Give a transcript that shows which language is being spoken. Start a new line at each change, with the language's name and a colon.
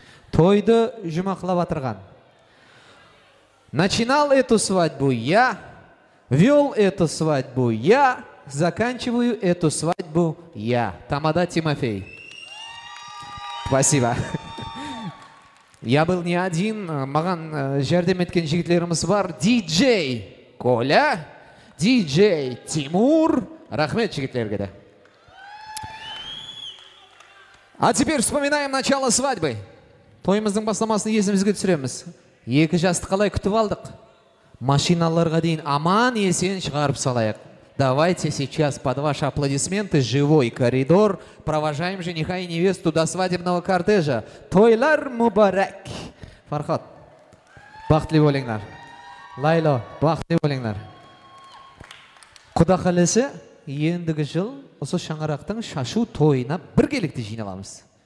Kara-Kalpak: Тойды жұмақлап атырған.
Russian: Начинал эту свадьбу я, вел эту свадьбу я, заканчиваю эту свадьбу я. Тамада Тимофей. Спасибо. Я был не один,
Kara-Kalpak: маған жәрдем еткен жігітлеріміз бар.
Russian: Диджей Коля, диджей Тимур.
Kara-Kalpak: Рахмет жігітлерге де.
Russian: А теперь вспоминаем начало свадьбы.
Kara-Kalpak: Тойымыздың басламасын есімізге түсіреміз. Екі жасты қалай күтіп алдық. Машиналарға дейін аман есен шығарып салайық.
Russian: Давайте сейчас под ваши аплодисменты живой коридор провожаем жениха и невесту до свадебного кортежа.
Kara-Kalpak: Тойлар мубарак. Фархат, бақытлы болыңдар. Лайло, бақытлы болыңдар. Құда қалесі, ендігі жыл осы шаңырақтың шашу тойына бір келікті жиын аламыз.